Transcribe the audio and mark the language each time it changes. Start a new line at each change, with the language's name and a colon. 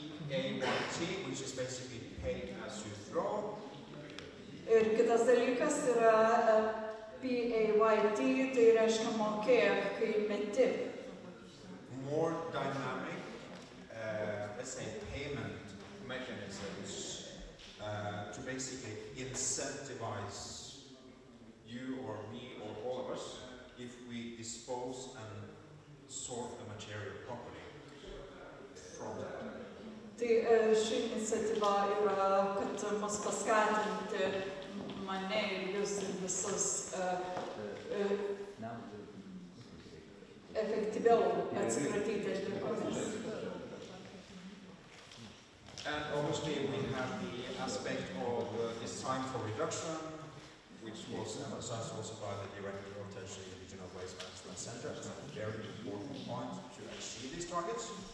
English: And PAYT, which is basically paid as you throw.
Lithuanian: Ir kitas dalykas yra PAYT, tai reiškia mokėk, kai meti.
English: More dynamic, let's say, payment mechanisms. To basically incentivize you or me or all of us if we dispose and sort the material properly from that.
Lithuanian: Tai ši iniciatyva yra, kad mus paskatinti mane ir jūs visus efektyviau atsikratyti atliekomis.
English: And obviously we have the aspect of this time for reduction, which was emphasized also by the director of Telšiai Regional Waste Management Center, as a very important point to achieve these targets.